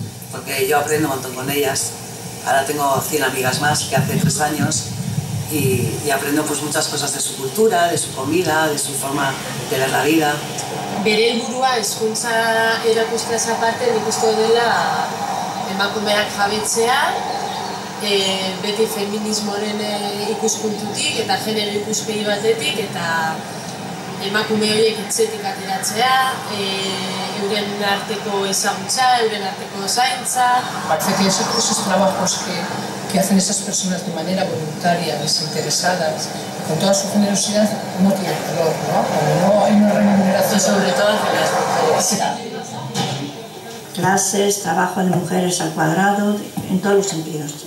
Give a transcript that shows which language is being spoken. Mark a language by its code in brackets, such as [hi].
[es] Porque yo aprendo un montón con ellas. Ahora tengo 100 amigas más que hace 3 años y aprendo pues muchas cosas de su cultura, de su comida, de su forma de ver la vida. [eu] Bere helburua hezkuntza erakusteaz aparte nik uste dela emakumeak jabetzea, beti feminismoaren ikuspuntutik eta genero ikuspegi batetik eta emakume horiek etxetik ateratzea, euren arteko ezagutza, euren arteko zaintza. [es] Parece que esos trabajos que hacen esas personas de manera voluntaria, desinteresadas, con toda su generosidad, no tienen valor, ¿no? Cuando no hay una remuneración. Y sobre todo hacia las mujeres. Clases, trabajo de mujeres al cuadrado, en todos los sentidos.